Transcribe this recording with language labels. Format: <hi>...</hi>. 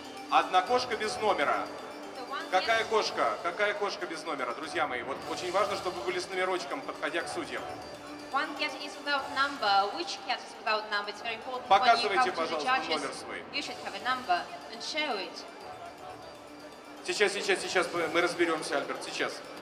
<ru>Одна кошка без номера. Какая кошка? Какая кошка без номера, друзья мои? Вот очень важно, чтобы вы были с номерочком, подходя к судьям.</ru> <en>One cat is without number. Which cat is without number? It's very important.</en> <ru>Показывайте, пожалуйста, номер свой.</ru> <en>You should have a number and show it.</en> <ru>Сейчас мы разберемся, Альберт, сейчас.</ru>